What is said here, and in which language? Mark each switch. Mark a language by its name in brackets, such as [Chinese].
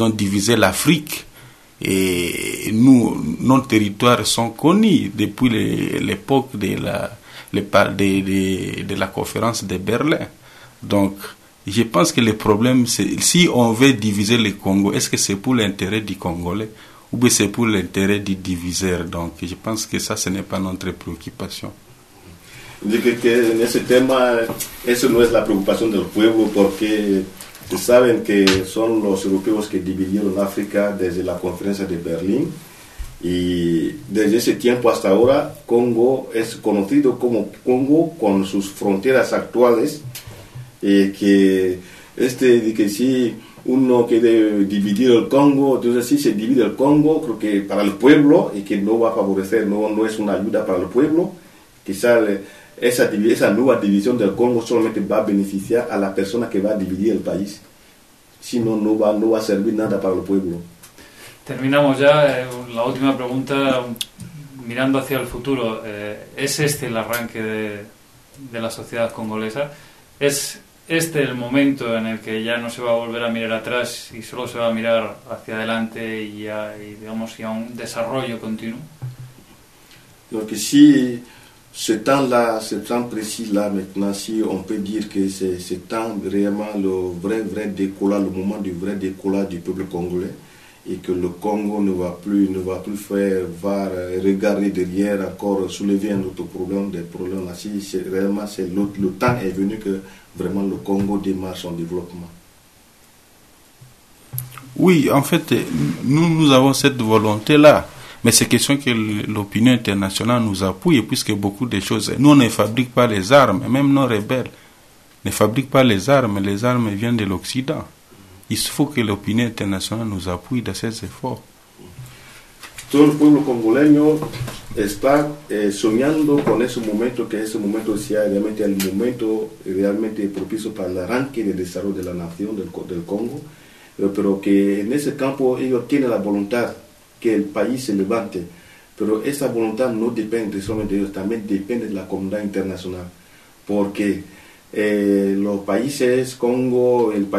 [French] Ils ont divisé l'Afrique. Et nous, nos territoires sont connus depuis l'époque de la conférence de Berlin. Donc, je pense que le problème, c'est si on veut diviser le Congo, est-ce que c'est pour l'intérêt du Congolais ou bien c'est pour l'intérêt du diviseur? Donc, je pense que ça, ce n'est pas notre préoccupation. [Spanish] Que en ese tema, eso no es la preocupación del pueblo, porque saben que son los europeos que dividieron África desde la conferencia de Berlín. Y desde ese tiempo hasta ahora, Congo es conocido como Congo con sus fronteras actuales. Y que si uno quiere dividir el Congo, entonces si se divide el Congo, creo que para el pueblo, y que no va a favorecer, no es una ayuda para el pueblo, quizás. Esa nueva división del Congo solamente va a beneficiar a la persona que va a dividir el país. Si no, no va a servir nada para el pueblo. Terminamos ya. La última pregunta, mirando hacia el futuro. ¿Es este el arranque de la sociedad congolesa? ¿Es este el momento en el que ya no se va a volver a mirar atrás y solo se va a mirar hacia adelante y a un desarrollo continuo? Lo que sí... [French] Ce temps précis-là, maintenant, si on peut dire que c'est ce temps vraiment le vrai décollage, le moment du vrai décollage du peuple congolais, et que le Congo ne va plus voir regarder derrière, encore soulever un autre problème, des problèmes. Si c'est vraiment, le temps est venu que vraiment le Congo démarre son développement. Oui, en fait, nous avons cette volonté-là. Mais c'est question que l'opinion internationale nous appuie, puisque beaucoup de choses... Nous, on ne fabrique pas les armes, même nos rebelles ne fabriquent pas les armes. Les armes viennent de l'Occident. Il faut que l'opinion internationale nous appuie dans ces efforts. Tout le peuple congolais est soignant [Spanish] con ce moment, que ce moment sea realmente el momento realmente propicio para el arranque de desarrollo de la nación del Congo, pero que en ese campo ellos tienen la voluntad que el país se levante, pero esa voluntad no depende solamente de ellos, también depende de la comunidad internacional, porque los países Congo,